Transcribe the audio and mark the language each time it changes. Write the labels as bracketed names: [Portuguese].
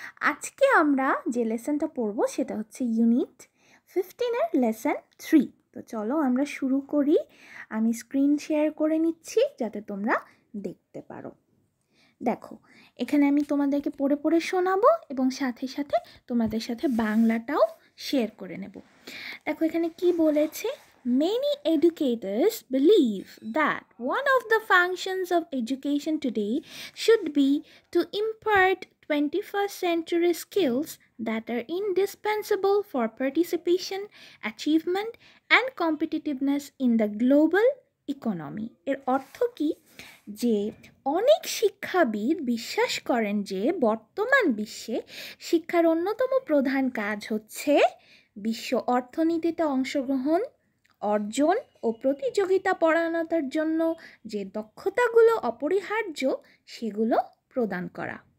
[Bangla] আজকে আমরা যে লেসনটা পড়বো সেটা হচ্ছে ইউনিট 15-এর লেসন 3। তো চলো আমরা শুরু করি। আমি স্ক্রিন শেয়ার করে নিচ্ছি যাতে তোমরা দেখতে পারো। দেখো, এখানে আমি তোমাদেরকে পড়ে পড়ে শোনাবো এবং সাথে সাথে তোমাদের সাথে বাংলাটাও শেয়ার করে নেব। দেখো এখানে কি বলেছে, [English] Many educators believe that one of the functions of education today should be to impart 21st century skills that are indispensable for participation, achievement and competitiveness in the global economy. [Bangla] এর অর্থ কি, যে অনেক শিক্ষাবিদ বিশ্বাস করেন যে বর্তমান বিশ্বে শিক্ষার অন্যতম প্রধান কাজ হচ্ছে বিশ্ব অর্থনীতিতে অংশগ্রহণ অর্জন ও প্রতিযোগিতা পরায়ণতার জন্য যে দক্ষতাগুলো অপরিহার্য সেগুলো প্রদান করা।